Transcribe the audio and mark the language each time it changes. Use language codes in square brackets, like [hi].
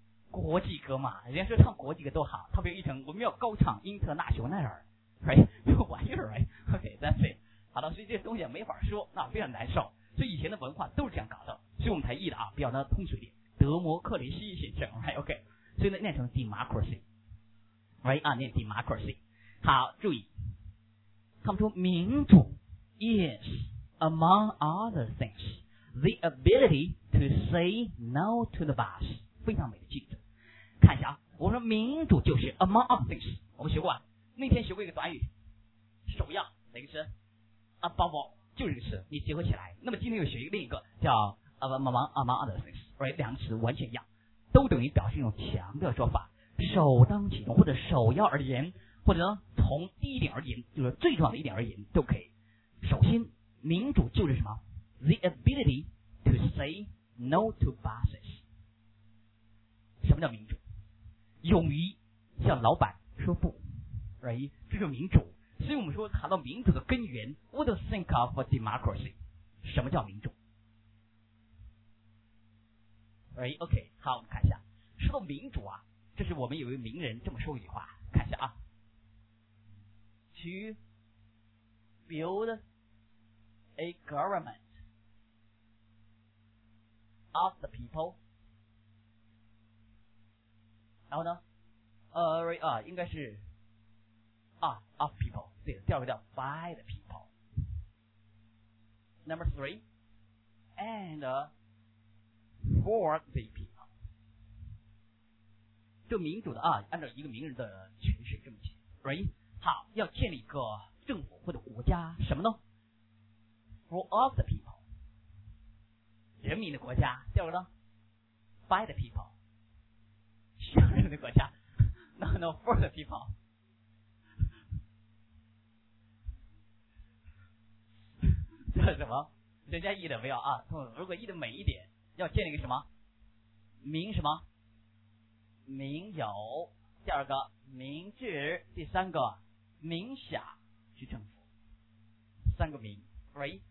[zh] 国际歌嘛，人家说唱国际歌都好，他不就译成我们要高唱英特纳雄奈尔 ，right？这玩意儿 ，right？OK，that's it。好了，所以这些东西没法说，那非常难受。所以以前的文化都是这样搞的。所以我们才译的啊，比较呢通俗一点。德摩克里希先生 ，right OK， 所以呢念成 democracy，right 啊念 democracy。好，注意，他们说民主 [en] is among other things the ability to say no to the boss， [zh] 非常美的句子。看一下啊，我说民主就是 among other things， 我们学过啊，那天学过一个短语，首要哪个词 ？above 就是这个词，你结合起来。那么今天又学一个另一个叫。among other things， right， 两个词完全一样，都等于表示一种强调说法，首当其冲或者首要而言，或者呢从第一点而言，就是最重要的一点而言都可以。首先，民主就是什么 ？ [en] The ability to say no to bosses。 [zh] 什么叫民主？勇于向老板说不 ，right， 这就民主。所以我们说谈到民主的根源 ， [en] what do you think of democracy？ [zh] 什么叫民主？哎 ，OK， 好，我们看一下。说到民主啊，这是我们有一位名人这么说一句话，看一下啊。 [en] to build a government of the people. [zh] 然后呢应该是of people, 对，调回到 by the people. [en] Number three, and for the people. [zh] 就民主的啊，按照一个名人的诠释这么写 right? 好，要建立一个政府或者国家，什么呢？ For of the people, 人民的国家，调回到 by the people. 乡人的国家 No, for the people 这是什么人家意的没有啊如果意的美一点要建立一个什么民什么民有第二个民治第三个民享去政府三个民 right?